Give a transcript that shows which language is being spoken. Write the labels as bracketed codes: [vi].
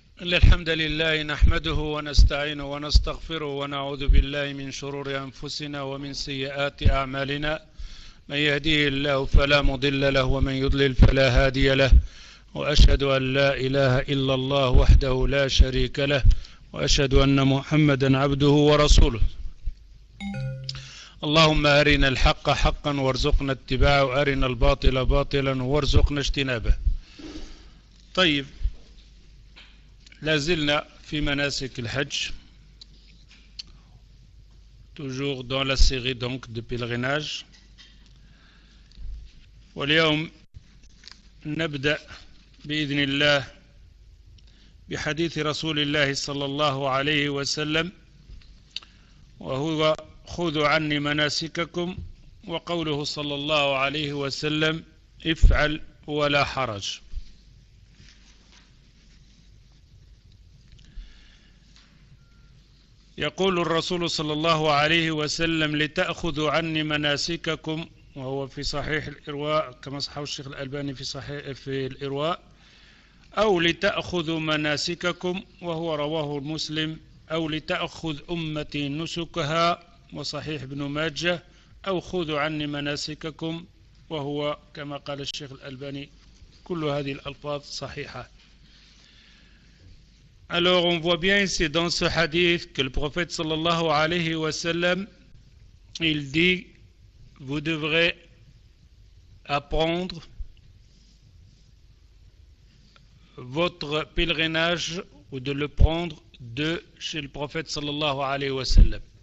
[ar] الحمد لله نحمده ونستعينه ونستغفره ونعوذ بالله من شرور أنفسنا ومن سيئات أعمالنا، من يهديه الله فلا مضل له ومن يضلل فلا هادي له، وأشهد أن لا إله إلا الله وحده لا شريك له، وأشهد أن محمدا عبده ورسوله. اللهم أرنا الحق حقا وارزقنا اتباعه، وأرنا الباطل باطلا وارزقنا اجتنابه. طيب، لازلنا في مناسك الحج، [fr] toujours dans la série donc de pèlerinage. [ar] واليوم نبدأ بإذن الله بحديث رسول الله صلى الله عليه وسلم، وهو خذوا عني مناسككم، وقوله صلى الله عليه وسلم افعل ولا حرج. يقول الرسول صلى الله عليه وسلم لتأخذوا عني مناسككم، وهو في صحيح الإرواء كما صححه الشيخ الألباني في صحيح في الإرواء، أو لتأخذوا مناسككم، وهو رواه المسلم، أو لتأخذ أمتي نسكها، وصحيح ابن ماجه، أو خذوا عني مناسككم، وهو كما قال الشيخ الألباني، كل هذه الألفاظ صحيحة. [fr] Alors on voit bien ici dans ce hadith que le prophète sallallahu alayhi wa sallam, il dit, vous devrez apprendre votre pèlerinage ou de le prendre de chez le prophète sallallahu alayhi wa sallam.